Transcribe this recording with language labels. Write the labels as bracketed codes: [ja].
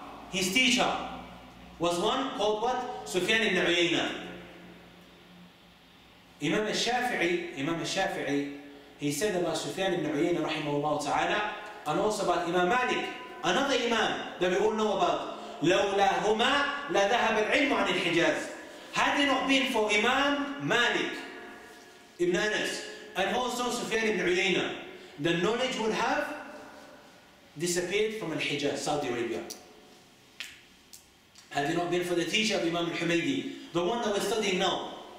[en] His teacher was one called what? Sufyan ibn Uyayna. Imam al-Shafi'i, he said about Sufyan ibn Uyayna rahimahullah ta'ala, and also about Imam Malik, another imam that we all know about. [ar] لولا هما لذهب العلم عن الحجاز. [en] Had it not been for Imam Malik ibn Anas and also Sufyan ibn Uyayna, the knowledge would have disappeared from Al-Hijaz, Saudi Arabia. Had it not been for the teacher of Imam al-Humaydi, the one that we're studying now.